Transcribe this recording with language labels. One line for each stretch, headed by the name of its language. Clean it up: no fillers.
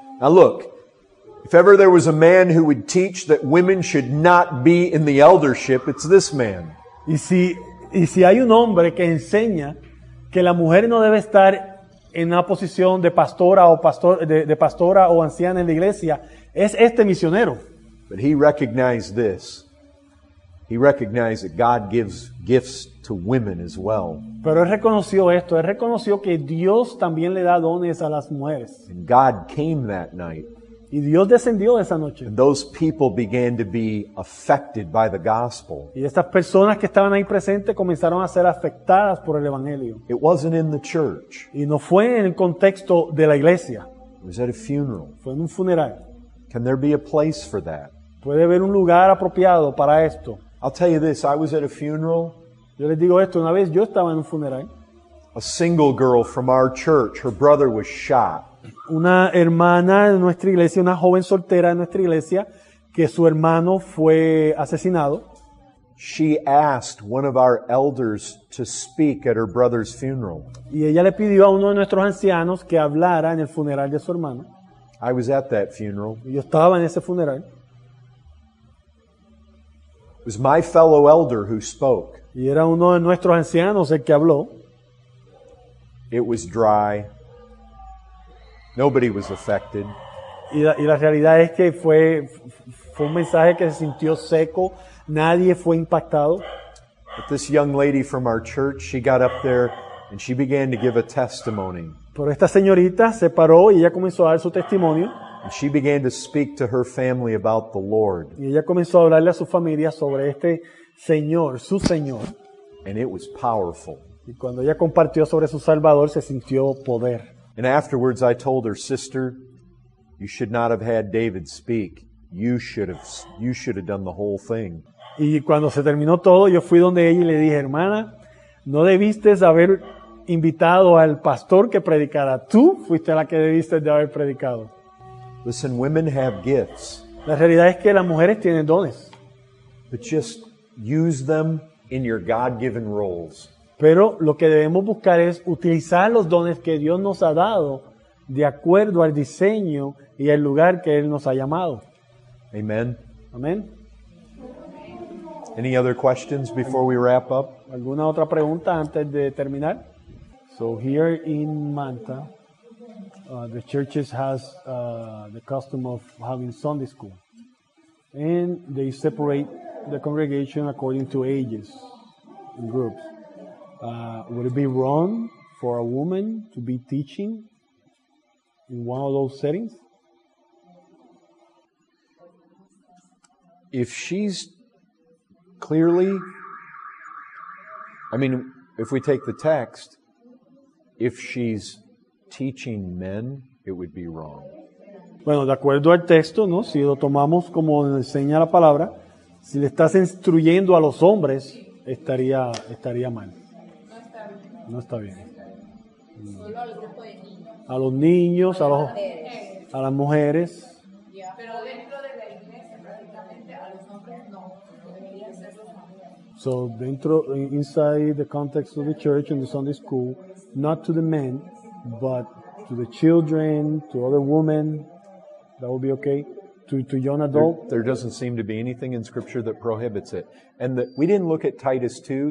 English: Now look, if ever there was a man who would teach that women should not be in the eldership, it's this man.
Spanish: Y si hay un hombre que enseña que la mujer no debe estar en una posición de pastora o pastor de pastora o anciana en la iglesia, es este misionero.
English: But he recognized this. He recognized that God gives gifts to women as well.
Spanish: Pero él reconoció esto. Él reconoció que Dios también le da dones a las mujeres.
English: And God came that night.
Spanish: Y Dios descendió esa noche.
English: And those people began to be affected by the gospel.
Spanish: Y estas personas que estaban ahí presentes comenzaron a ser afectadas por el evangelio.
English: It wasn't in the church.
Spanish: Y no fue en el contexto de la iglesia.
English: It was at a funeral.
Spanish: Fue en un funeral.
English: Can there be a place for that?
Spanish: Puede haber un lugar apropiado para esto.
English: I'll tell you this, I was at a funeral.
Spanish: Yo les digo esto, una vez yo estaba en un funeral.
English: A single girl from our church, her brother was shot.
Spanish: Una hermana de nuestra iglesia, una joven soltera de nuestra iglesia, que su hermano fue asesinado.
English: She asked one of our elders to speak at her brother's funeral.
Spanish: Y ella le pidió a uno de nuestros ancianos que hablara en el funeral de su hermano.
English: I was at that funeral.
Spanish: Yo estaba en ese funeral.
English: It was my fellow elder who spoke.
Spanish: Y era uno de nuestros ancianos el que habló.
English: It was dry. Nobody was affected.
Spanish: Y la realidad es que fue un mensaje que se sintió seco. Nadie fue impactado.
English: But this young lady from our church, she got up there and she began to give a testimony.
Spanish: Pero esta señorita se paró y ella comenzó a dar su testimonio.
English: And she began to speak to her family about the Lord.
Spanish: Y ella comenzó a hablarle a su familia sobre este Señor, su Señor.
English: And it was powerful.
Spanish: Y cuando ella compartió sobre su Salvador, se sintió poder.
English: And afterwards I told her, "Sister, you should not have had David speak. You should have done the whole thing."
Spanish: Y cuando se terminó todo, yo fui donde ella y le dije, "Hermana, no debiste haber invitado al pastor que predicara. Tú fuiste la que debiste de haber predicado."
English: Listen, women have gifts.
Spanish: La realidad es que las mujeres tienen dones.
English: But just use them in your God-given roles.
Spanish: Pero lo que debemos buscar es utilizar los dones que Dios nos ha dado de acuerdo al diseño y al lugar que Él nos ha llamado.
English: Amen.
Spanish: Amen.
English: Any other questions before we wrap up?
Spanish: ¿Alguna otra pregunta antes de terminar?
English: So here in Manta, the churches has the custom of having Sunday school, and they separate the congregation according to ages and groups. Would it be wrong for a woman to be teaching in one of those settings? If she's clearly, I mean, if we take the text, if she's teaching men, it would be wrong.
Spanish: Bueno, de acuerdo al texto, ¿no? Si lo tomamos como enseña la palabra, si le estás instruyendo a los hombres, estaría mal. No está bien. No está bien. Solo al grupo de niños. A los niños, a las mujeres.
English: Yeah.
Spanish: Pero dentro de la iglesia, prácticamente, a los hombres no. Deberían ser los hombres.
English: So, dentro, inside the context of the church and the Sunday school, not to the men, but to the children, to other women, that would be okay. To young adult. There doesn't seem to be anything in Scripture that prohibits it. And we didn't look at Titus 2.